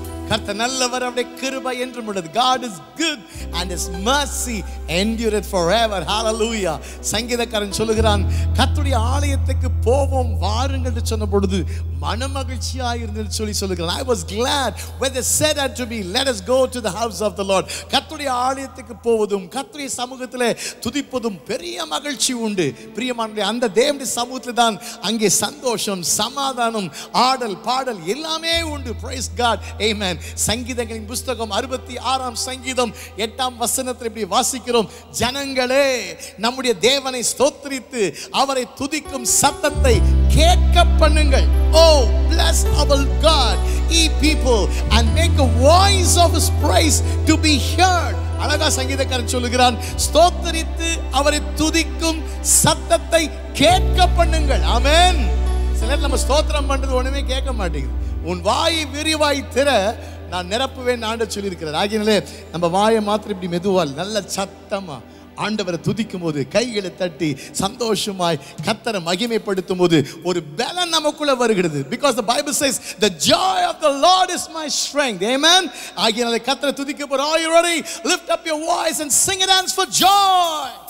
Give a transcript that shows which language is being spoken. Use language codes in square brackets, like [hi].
[en] God is good and His mercy endureth forever. Hallelujah. [ta] சங்கீதக்காரன் சொல்லுகிறான், கர்த்தருடைய ஆலயத்துக்கு போவோம் வாருங்கள் என்று சொன்னபொழுது மனமகிழ்ச்சியாக இருந்தது சொல்லி சொல்லுகிறான். [en] I was glad when they said unto me, let us go to the house of the Lord. [ta] கர்த்தருடைய ஆலயத்துக்கு போவதும் கர்த்தருடைய சமூகத்திலே துதிப்பதும் பெரிய மகிழ்ச்சி உண்டு. பிரியமானவர்களே, அந்த தேவனுடைய சமூகத்திலே தான் அங்கே சந்தோஷம், சமாதானம், ஆடல் பாடல் எல்லாமே உண்டு. [en] Praise God. Amen. [ta] சங்கீதங்களின் புத்தகம் 66 சங்கீதம் 8 வசனத்தில் இப்படி வாசிக்கிறோம், ஜனங்களே நம்முடைய தேவனை ஸ்தோத்திரித்து அவரை துதிக்கும் சத்தத்தை கேட்க பண்ணுங்கள். [en] Oh, bless our God, ye people, and make a voice of his praise to be heard. [ta] அழகா சங்கீதக்காரன் சொல்லுகிறான், ஸ்தோத்திரித்து அவரை துதிக்கும் சத்தத்தை கேட்க பண்ணுங்கள். ஆமென். சிலர் நம்ம ஸ்தோத்திரம் பண்றது ஒண்ணுமே கேட்க மாட்டேங்குது. உன் வாயை விரிவாய் திற, நான் நிரப்புவேன் ஆண்டவர் சொல்லியிருக்கிறார். ஆகியனாலே நம்ம வாயை மாத்திரம் இப்படி மெதுவால் நல்ல சத்தமா ஆண்டவரை துதிக்கும் போது, கைகளை தட்டி சந்தோஷமாய் கர்த்தரை மகிமைப்படுத்தும் போது ஒரு பலன் நமக்குள்ள வருகிறது. [en] Because the Bible says, the joy of the Lord is my strength. Amen. [ta] ஆகியனாலே கர்த்தரை துதிக்க போறோம். [en] Are you ready? Lift up your voice and sing a dance for joy.